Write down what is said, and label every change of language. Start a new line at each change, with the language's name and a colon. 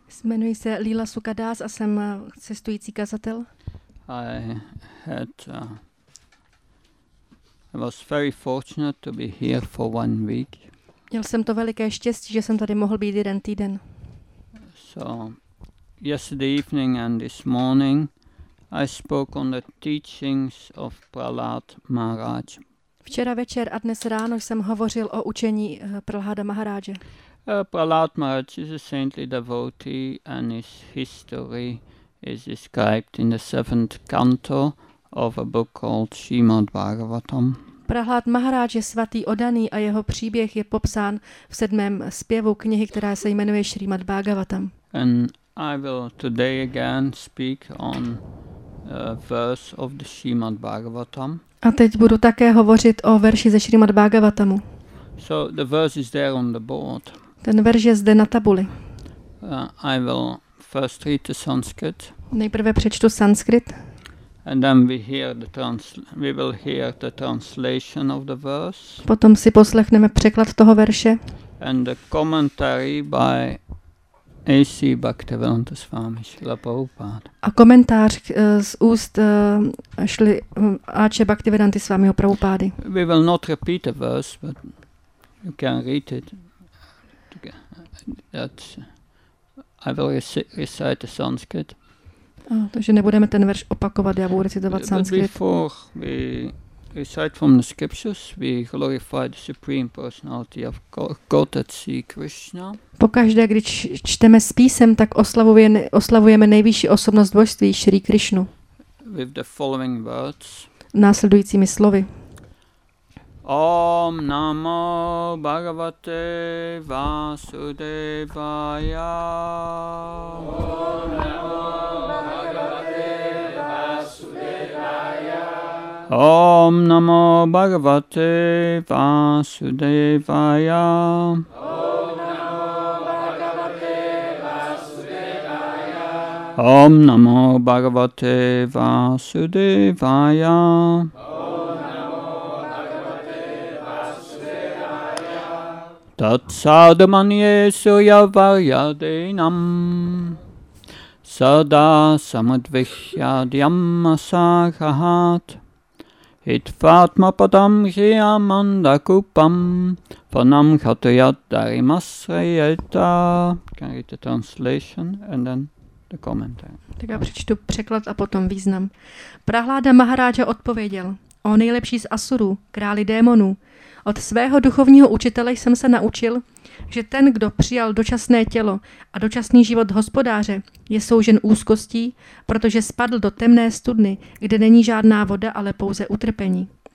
Czech: Jmenuji se Lila Sukadas a jsem cestující kazatel.
English: I was very fortunate to be here for 1 week.
Czech: Měl jsem to veliké štěstí, že jsem tady mohl být jeden týden.
English: So, yesterday evening and this morning, I spoke on the teachings of Prahlad Maharaj.
Czech: Včera večer a dnes ráno jsem hovořil o učení Prahlada Maharaje.
English: Prahlad Maharaj is a saintly devotee and his history is described in the 7th canto of a book called Srimad Bhagavatam.
Czech: Prahlad Maharaj je svatý oddaný a jeho příběh je popsán v 7. zpěvu knihy, která se jmenuje Srimad Bhagavatam.
English: And I will today again speak on verse of the Srimad Bhagavatam.
Czech: A teď budu také hovořit o verši ze Srimad Bhagavatamu.
English: So the verse is there on the board.
Czech: Ten verš je zde na tabuli.
English: I will first read the Sanskrit.
Czech: Nejprve přečtu sanskrit.
English: And then we will hear the translation of the verse.
Czech: Potom si poslechneme překlad toho verše.
English: And the commentary by A.C. Bhaktivedanta Swami Srila Prabhupada.
Czech: A komentář z úst šli A.C. Bhaktivedanta Swami Prabhupady.
English: We will not repeat the verse, but you can read it. I will recite the Sanskrit.
Czech: Takže nebudeme ten verš opakovat, já budu recitovat sanskrit.
English: Before we recite from the scriptures, we glorify the Supreme Personality of God, Sri Krishna.
Czech: Pokaždé, když čteme z písem, tak oslavujeme nejvyšší osobnost božství, Sri Krishnu.
English: With the following words.
Czech: Následujícími slovy.
Sanskrit: Om namo Bhagavate Vasudevaya. Om namo Bhagavate Vasudevaya. Om namo Bhagavate Vasudevaya. Om namo Bhagavate Vasudevaya. Om namo Bhagavate Vasudevaya. Tatsadmanye suryavaryadenam sada samadvishyadyam asahahat itvatmapadam hiyamandakupam panam khatayadarimasrayata.
English: Can I read the translation and then the commentary?
Czech: Tak já přečtu překlad a potom význam. Prahláda Maharaja odpověděl, o nejlepší z asurů, králi démonů, od svého duchovního učitele jsem se naučil, že ten, kdo přijal dočasné tělo a dočasný život hospodáře, je soužen úzkostí, protože spadl do temné studny, kde není žádná voda, ale pouze utrpení.